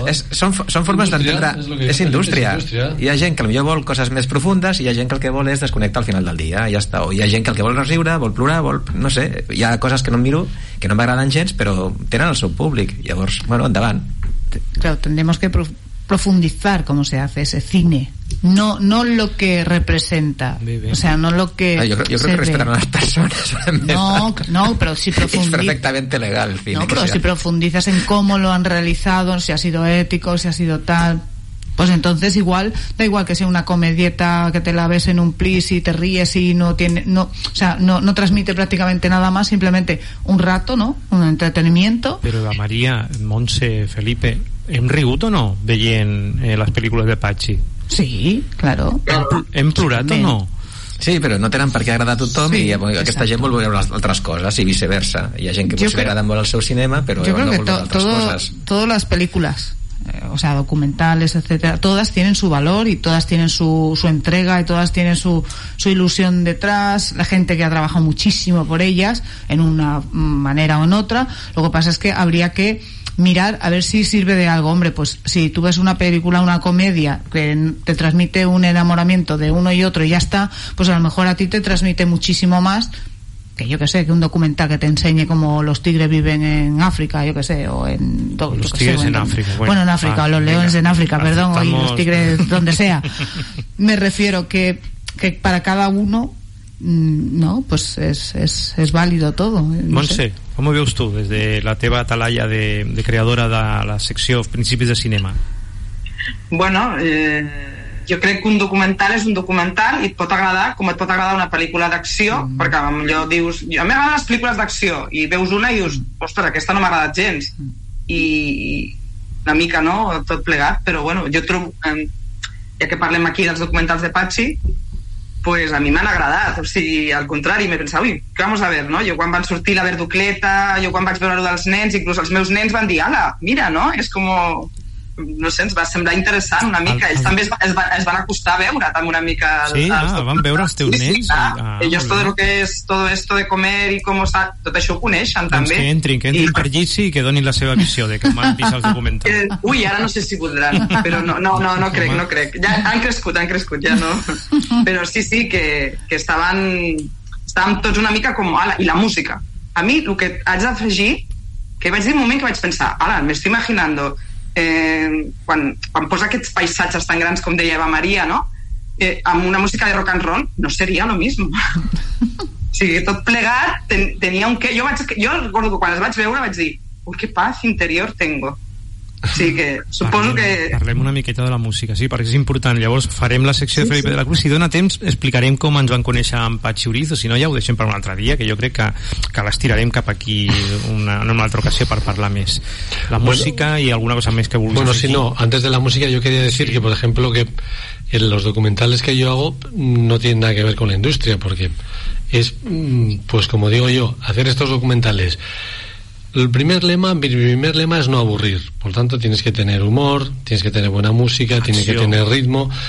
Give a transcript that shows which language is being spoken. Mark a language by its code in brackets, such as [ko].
[ca] Són formes d'entendre, és indústria. Hi ha gent que potser vol coses més profundes i hi ha gent que el que vol és desconnectar al final del dia, ja està. O hi ha gent que el que vol és riure, vol plorar, vol, no sé, hi ha coses que no miro, que no m'agraden gens, però tenen el seu públic. Llavors, bueno, endavant. [es] Claro, tendremos que profundizar cómo se hace ese cine, no lo que representa, o sea, no lo que yo creo que respetan a las personas. No, pero si profundizas, es perfectamente legal el cine, no, pero si profundizas en cómo lo han realizado, si ha sido ético, si ha sido tal, pues entonces igual da igual que sea una comedieta que te la ves en un plis y te ríes y no transmite prácticamente nada más, simplemente un rato, ¿no?, un entretenimiento. [ca] Pero la María, Montse, Felipe, ¿hem rigut o no veient les pel·lícules de Patxi? Sí, claro. ¿Hem plorat o no? Sí, però no tenen per què agradar a tothom, sí, i aquesta gent vol veure altres coses i viceversa. Hi ha gent que potser agrada molt el seu cinema, però no vol veure altres coses. [es] Todas las películas, o sea, documentales, etcétera, todas tienen su valor y todas tienen su entrega y todas tienen su ilusión detrás, la gente que ha trabajado muchísimo por ellas en una manera o en otra. Lo que pasa es que habría que mirar a ver si sirve de algo. Hombre, pues si tú ves una película, una comedia que te transmite un enamoramiento de uno y otro y ya está, pues a lo mejor a ti te transmite muchísimo más que yo que sé, que un documental que te enseñe cómo los tigres viven en África, yo que sé, o en... Los tigres en África. Bueno, en África, o los leones en África, perdón, o los tigres donde sea. Me refiero que para cada uno, no, pues es válido todo. [ca] Montse, ¿cómo veus tú desde la teva atalaya de creadora de la secció Principis de Cinema? Bueno, jo crec que un documental és un documental i et pot agradar com et pot agradar una pel·lícula d'acció, perquè potser dius, a mi m'agraden les pel·lícules d'acció, i veus una i dius, ostres, aquesta no m'ha agradat gens, i una mica, no?, tot plegat. Però bueno, jo trobo ja que parlem aquí dels documentals de Pachi, pues a mi m'han agradat, o sigui, al contrari, me pensava, ui, què [es] vamos a ver, [ca] no? Jo quan van sortir la Verducleta, jo quan vaig veure-ho dels nens, inclús els meus nens van dir, ala, mira, no? És com, no sé, ens va semblar interessant una mica. Ells també es van acostar a veure amb una mica... Sí, van veure els teus nens. [es] Ellos todo lo que es todo esto de comer y cómo está, [ca] tot això ho coneixen, doncs també. Que entrin, per Gissi i que donin la seva visió de com han vist els documentals. Ui, ara no sé si voldran, però no crec. Ja han crescut, ja no. Però sí, sí, que estàvem tots una mica com... Ala, i la música. A mi el que haig d'afegir, que vaig dir un moment que vaig pensar, ala, m'estic imaginant... quan posa aquests paisatges tan grans com deia Eva Maria, no? Amb una música de rock and roll no seria [es] lo mismo. [ca] O sigui, tot plegat tenia un què. Jo recordo que quan els vaig veure vaig dir, ui, [es] que paz interior tengo. [ca] Sí, que suposo que... Parlem una miqueta de la música, sí, perquè és important. Llavors farem la secció de Felipe de la Cruz. Si dona temps, explicarem com ens van conèixer amb Pachi Urizo. Si no, ja ho deixem per un altre dia, que jo crec que l'estirarem cap aquí en una altra ocasió per parlar més. La música i alguna cosa més que vulguis. [es] Bueno, si no, antes de la música yo quería decir que, por ejemplo, que en los documentales que yo hago no tienen nada que ver con la industria, porque es, pues como digo yo, hacer estos documentales... Mi primer lema es no aburrir. Por tanto, tienes que tener humor, tienes que tener buena música, acción. Tienes que tener ritmo.